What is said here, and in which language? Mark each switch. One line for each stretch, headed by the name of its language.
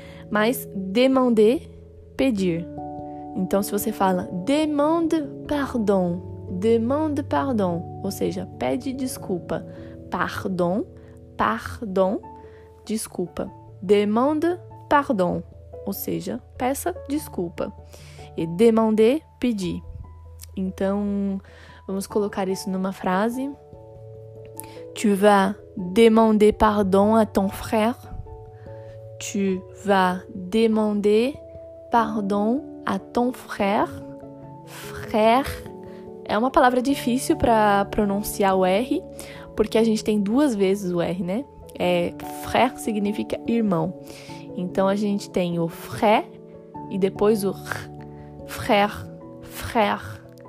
Portuguese: Mas demander, pedir. Então, se você fala
French: demande pardon, demande pardon,
Portuguese: ou seja, pede desculpa.
French: Pardon, pardon, desculpa. Demande pardon,
Portuguese: ou seja, peça desculpa. E demander, pedir. Então, vamos colocar isso numa frase.
French: Tu vas demander pardon à ton frère. Tu vas demander pardon à ton frère.
Portuguese: Frère é uma palavra difícil para pronunciar o R, porque a gente tem duas vezes o R, né? Frère significa irmão. Então a gente tem o frère e depois o frère. Frère.